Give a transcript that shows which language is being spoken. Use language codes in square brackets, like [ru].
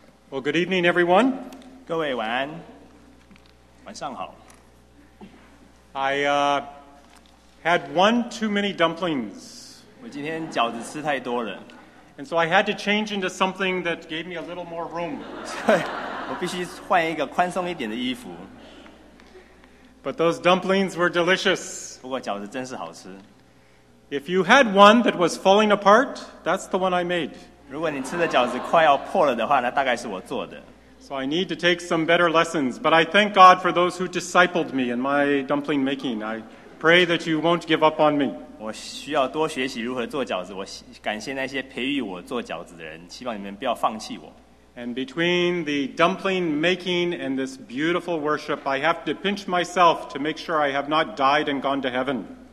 [en] Well, good evening, everyone. [zh] 各位晚安, 晚上好。 [en] I had one too many dumplings. [zh] 我今天饺子吃太多了。 [en] And so I had to change into something that gave me a little more room. [zh] 我必须换一个宽松一点的衣服。 [en] But those dumplings were delicious. [zh] 不过饺子真是好吃。 [en] If you had one that was falling apart, that's the one I made. [zh] 如果你吃的饺子快要破了的话，那大概是我做的。 [en] So I need to take some better lessons, but I thank God for those who discipled me in my dumpling making. I pray that you won't give up on me. [zh] 我需要多学习如何做饺子，我感谢那些培育我做饺子的人，希望你们不要放弃我。 [en] And between the dumpling making and this beautiful worship, I have to pinch myself to make sure I have not died and gone to heaven.